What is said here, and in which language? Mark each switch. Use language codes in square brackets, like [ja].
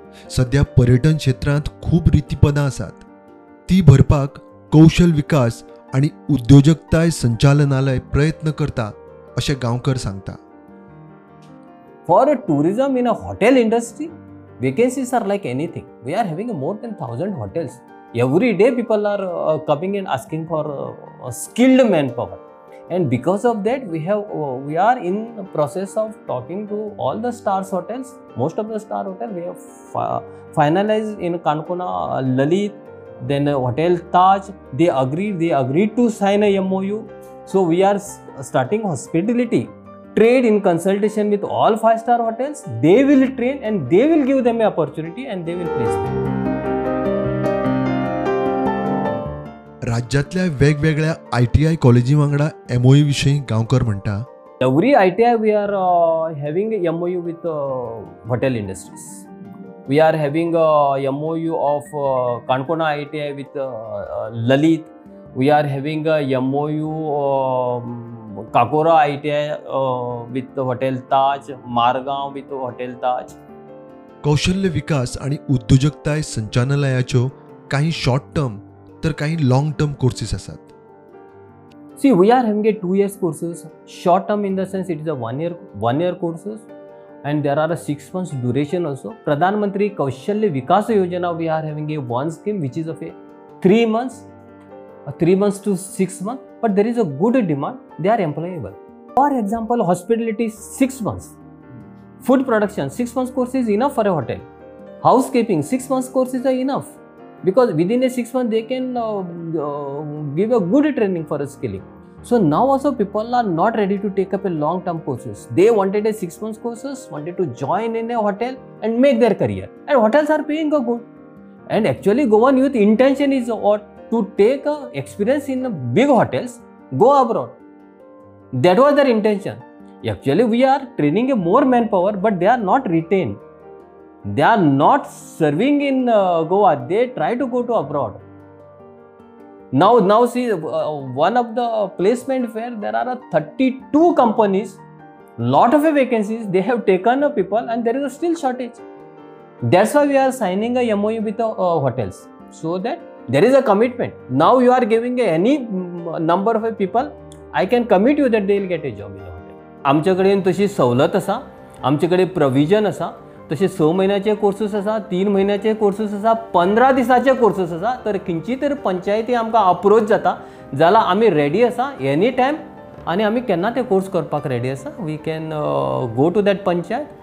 [gom] सध्या पर्यटन क्षेत्रात खूप रीतीपदां असतात, ती भरपाक कौशल विकास आणि उद्योजकताय संचालनालय प्रयत्न करता असे गावकर सांगता. [en] For a tourism in a hotel industry vacancies are like anything. We are having more than 1000 hotels. Every day people are coming and asking for skilled man power. And because of that, we are in the process of talking to all the stars hotels. Most of the star hotels, we have finalized in Kankona, Lalit, then Hotel Taj. They agreed to sign a MOU. So we are starting hospitality. Trade in consultation with all 5-star hotels. They will train and they will give them an opportunity and they will place them. [gom] राज्यातल्या वेगवेगळ्या ITI कॉलेजी वांगडा MOU विषयी गावकर म्हणता. [en] Every ITI we are having MOU with hotel industries. We are having MOU of Canacona ITI with Lalit. We are having MOU Cacora ITI with hotel Taj, Margao with hotel Taj. [gom] कौशल्य विकास आणि उद्योजकताय संचालनालयाच्यो काही शॉर्ट टर्म तर काही लॉंग टर्म कोर्सेस असतात. [en] C V R having 2 years courses. Short term in the sense it is a 1 year courses and there are a 6 months duration also. प्रधानमंत्री कौशल्य विकास योजना V R having A 1 scheme which is of A 3 months, 3 months two 6 months, but there is a good demand, they are employable. For example hospitality 6 months, food production 6 months course is enough for a hotel, house keeping 6 months course is a enough. Because within a 6 months, they can give a good training for a skilling. So now also people are not ready to take up a long-term courses. They wanted a 6 months courses, wanted to join in a hotel and make their career. And hotels are paying a good. And actually Goan youth intention is to take a experience in a big hotels, go abroad. That was their intention. Actually we are training a more manpower, but they are not retained. They are not serving in Goa, they try to go to abroad. Now see, one of the placement where there are 32 companies, lot of vacancies, they have taken people and there is a still shortage. That's why we are signing a MOU with the hotels, so that there is a commitment. Now you are giving any number of people, I can commit you that they will get a job in the hotel. [gom] आमच्याकडे तशी सवलत असा, आमच्याकडे provision असा, तसे 6 महिन्याचे courses असा, 3 महिन्याचे कोर्सेस असा, 15 दिसाचे कोर्सेस असा, तर किंचित पंचायती आमकां अप्रोच जाता जाल्यार आमी रेडी असा [en] Any time. [gom] आणि आमी केन्ना ते कोर्स करपाक रेडी असा, [en] We can go to that panchayat.